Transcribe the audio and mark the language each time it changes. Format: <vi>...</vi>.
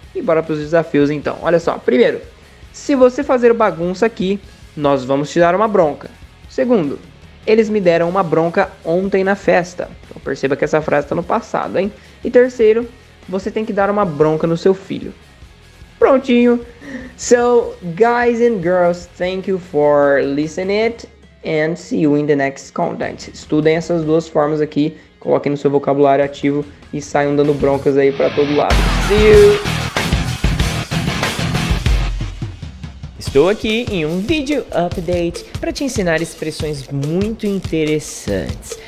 <pt>E bora para os desafios, então. Olha só, primeiro, se você fazer bagunça aqui, nós vamos te dar uma bronca. Segundo, eles me deram uma bronca ontem na festa. Então perceba que essa frase está no passado, hein? E terceiro, você tem que dar uma bronca no seu filho. Prontinho!</pt> <en>So, guys and girls, thank you for listening it and see you in the next content.</en> <pt>Estudem essas duas formas aqui, coloquem no seu vocabulário ativo e saiam dando broncas aí para todo lado.</pt> <en>See you!</en> <pt>Estou aqui em um vídeo update para te ensinar expressões muito interessantes.</pt>